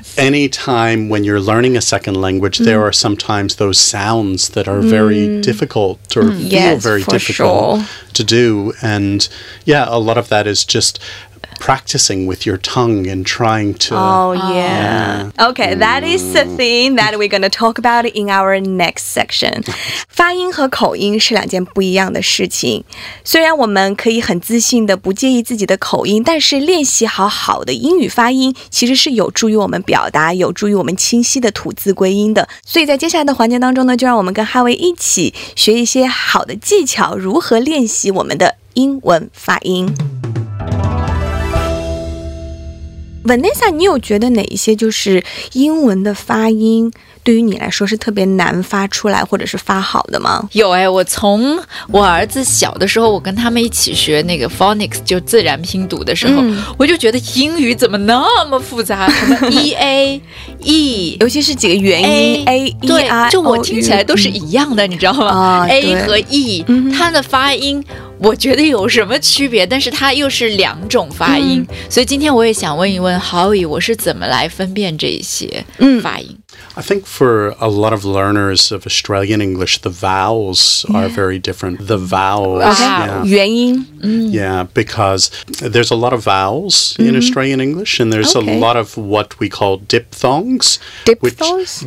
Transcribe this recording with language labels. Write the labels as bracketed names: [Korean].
[English] Any time when you're learning a second language, there are sometimes those sounds that are very difficult or feel very difficult to do. And yeah, a lot of that is just... practicing with your tongue and trying to... Okay, that is the thing that we're going to talk about in our next section. [Chinese] 发音和口音是两件不一样的事情。虽然我们可以很自信的不介意自己的口音，但是练习好好的英语发音其实是有助于我们表达，有助于我们清晰的吐字归音的。所以在接下来的环节当中呢，就让我们跟哈维一起学一些好的技巧，如何练习我们的英文发音。 Vanessa， 你有觉得哪一些就是英文的发音对于你来说是特别难发出来或者是发好的吗？有哎，我从我儿子小的时候，我跟他们一起学那个 phonics， 就自然拼读的时候，我就觉得英语怎么那么复杂，什么 ea e，尤其是几个元音 a e，对，就我听起来都是一样的，你知道吗？a 和 e， 它的发音我觉得有什么区别，但是它又是两种发音，所以今天我也想问一问 Howie， 我是怎么来分辨这些发音。 [English] I think for a lot of learners of Australian English, the vowels are very different. The vowels, yeah. Yeah, because there's a lot of vowels in Australian English, and there's a lot of what we call diphthongs. Diphthongs?